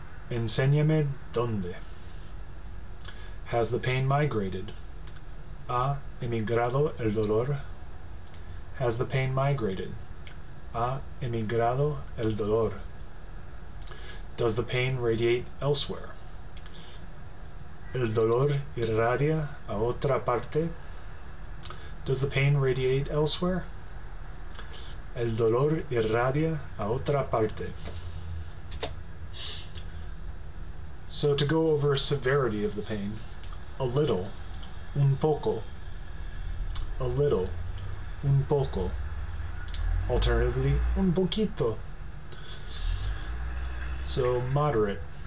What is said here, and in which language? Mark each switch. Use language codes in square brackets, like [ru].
[es] Enséñame dónde. [en] Has the pain migrated? [es] ¿Ha emigrado el dolor? [en] Has the pain migrated? [es] ¿Ha emigrado el dolor? [en] Does the pain radiate elsewhere? [es] ¿El dolor irradia a otra parte? [en] Does the pain radiate elsewhere? [es] ¿El dolor irradia a otra parte? [en] So to go over severity of the pain, a little, [es] un poco, [en] a little, [es] un poco, [en] alternatively, [es] un poquito. [en] So moderate,